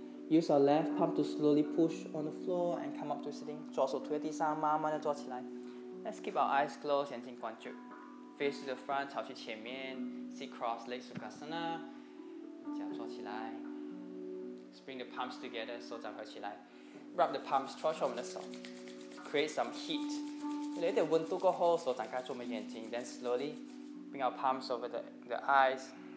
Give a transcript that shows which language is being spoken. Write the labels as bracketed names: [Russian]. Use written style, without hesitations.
[English] Use our left palm to slowly push on the floor and come up to sitting. [Chinese] 左手推在地上，慢慢地坐起来. [English] Let's keep our eyes closed, [Chinese] 眼睛关注. [English] Face to the front, [Chinese] 朝去前面. [English] Sit cross, legs to kasana. [Chinese] 脚坐起来. [English] Bring the palms together, [Chinese] 手掌合起来. [English] Rub the palms, [Chinese] 搓搓我们的手. [English] Create some heat. [Chinese] 有点温度过后, 手掌盖住我们眼睛. [English] Then slowly bring our palms over the eyes.